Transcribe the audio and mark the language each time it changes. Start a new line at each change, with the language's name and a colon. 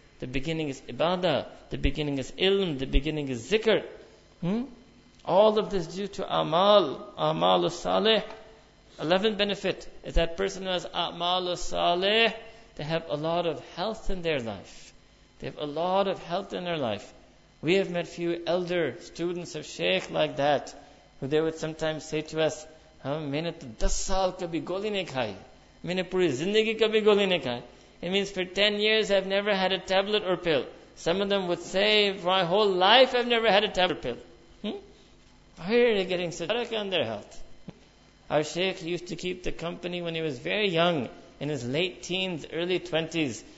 English: The beginning is ibadah. The beginning is ilm. The beginning is zikr. All of this due to amal as-salih. 11th benefit is that person who has amal as-salih, they have a lot of health in their life. They have a lot of health in their life. We have met few elder students of Shaykh like that, who they would sometimes say to us,
Urdu: میں نے تو 10 سال کبھی گولی نہیں کھائی، میں نے پوری زندگی کبھی گولی نہیں کھائی۔
English: It means for 10 years I've never had a tablet or pill. Some of them would say, for my whole life I've never had a tablet or pill. Why are they getting such barakah on their health? Our Shaykh used to keep the company when he was very young, in his late teens, early 20s.